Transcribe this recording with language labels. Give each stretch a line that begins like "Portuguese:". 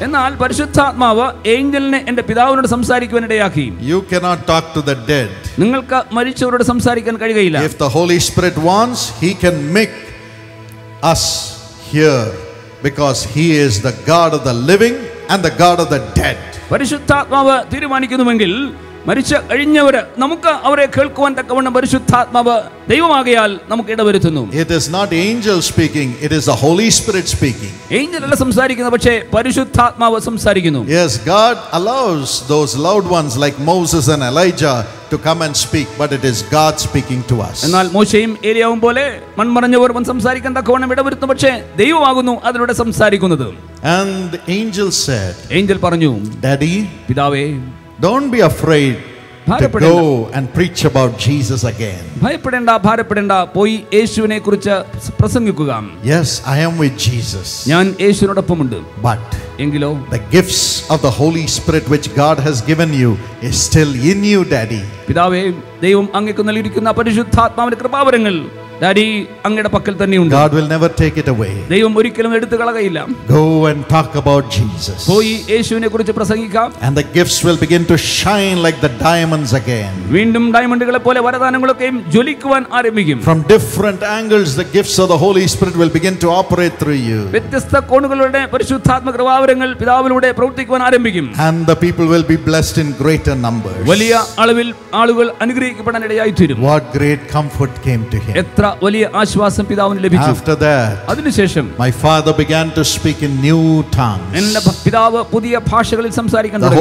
English: You cannot talk to the dead. If the Holy Spirit wants, he can make us hear, because he is the God of the living and the God of the dead.
Malayalam: പരിശുദ്ധാത്മാവ് തീരുമാനിക്കുന്നുവെങ്കിൽ മരിച്ച കഴിഞ്ഞവരെ നമുക്ക് അവരെ കേൾക്കുവാൻ തക്കവണ്ണം പരിശുദ്ധാത്മാവ് ദൈവമാകയാൽ നമുക്ക് ഇടവരുത്തുന്നു.
English: It is not angel speaking, it is the Holy Spirit speaking.
Malayalam: Angel അല്ല സംസാരിക്കുന്നു, പക്ഷേ പരിശുദ്ധാത്മാവ് സംസാരിക്കുന്നു.
English: Yes, God allows those loud ones like Moses and Elijah to come and speak, but it is God speaking to us.
Malayalam: എന്നാൽ മോശയും ഏലിയാവും പോലെ മൺമറഞ്ഞവർ വൻ സംസാരിക്കാൻ തക്കവണ്ണം ഇടവരുത്തുന്നു, പക്ഷേ ദൈവമാകുന്നു അതിലൂടെ സംസാരിക്കുന്നത്.
English: And the angel said,
Malayalam: Angel പറഞ്ഞു,
English: daddy,
Malayalam: പിതാവേ,
English: don't be afraid to go and preach about Jesus again.
Malayalam: ഭയപ്പെടേണ്ട, ഭാരപ്പെടേണ്ട, പോയി യേശുവിനെ കുറിച്ച് പ്രസംഗിക്കുക.
English: Yes, I am with Jesus.
Malayalam: ഞാൻ യേശുവിനോടൊപ്പമുണ്ട്.
English: But
Malayalam: എങ്കിലോ,
English: the gifts of the Holy Spirit which God has given you is still in you, Daddy.
Malayalam: പിതാവേ, ദൈവം അങ്ങേക്ക് നൽകിയിരിക്കുന്ന പരിശുദ്ധാത്മാവിന്റെ കൃപാവരങ്ങൾ ഡാഡി അങ്ങയുടെ പക്കൽ തന്നെയുണ്ട്
English: God will never take it away
Malayalam: ദൈവം ഒരിക്കലും എടുത്തു കളയില്ല
English: Go and talk about Jesus
Malayalam: പോയി യേശുവിനെക്കുറിച്ച് പ്രസംഗിക്കാം
English: And the gifts will begin to shine like the diamonds again
Malayalam: വീണ്ടും ഡയമണ്ടുകളെ പോലെ വരദാനങ്ങളൊക്കെയും ജ്വലിക്കുവാൻ ആരംഭിക്കും
English: From different angles the gifts of the Holy Spirit will begin to operate through you
Malayalam: വ്യത്യസ്ത കോണുകളിലൂടെ പരിശുദ്ധാത്മക പ്രവാഹങ്ങൾ പിതാവിലൂടെ പ്രവർത്തിക്കുവാൻ ആരംഭിക്കും
English: And the people will be blessed in greater numbers
Malayalam: വലിയ അളവിൽ ആളുകൾ അനുഗ്രഹിക്കപ്പെടാൻ ഇടയായി തീരും
English: What great comfort came to him
Malayalam: വലിയ ആശ്വാസം പിതാവിന് ലഭിച്ചു
English: After that
Malayalam: അതിനുശേഷം
English: my father began to speak in new tongues
Malayalam: എന്റെ പിതാവ് പുതിയ ഭാഷകളിൽ സംസാരിക്കാൻ തുടങ്ങി